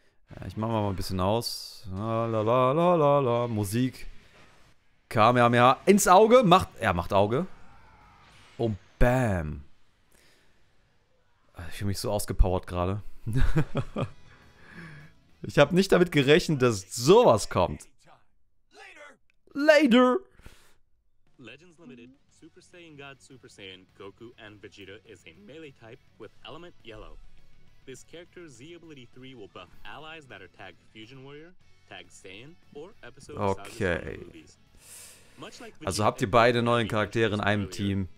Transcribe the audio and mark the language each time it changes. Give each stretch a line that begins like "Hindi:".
German: Ja, ich mach mal ein bisschen aus. La la la la la. Musik. Kamehameha. Ins Auge. Macht. Er macht Auge. Und bam. Ich fühle mich so ausgepowert gerade. Ich habe nicht damit gerechnet, dass sowas kommt.
English: Later! Legends Limited, Super Saiyan God Super Saiyan Goku and Vegeta is a melee type with element yellow. This character Z Ability 3 will buff allies that are tagged Fusion Warrior, tagged Saiyan or episode of okay.
German: Also habt ihr beide neuen Charaktere in einem Team.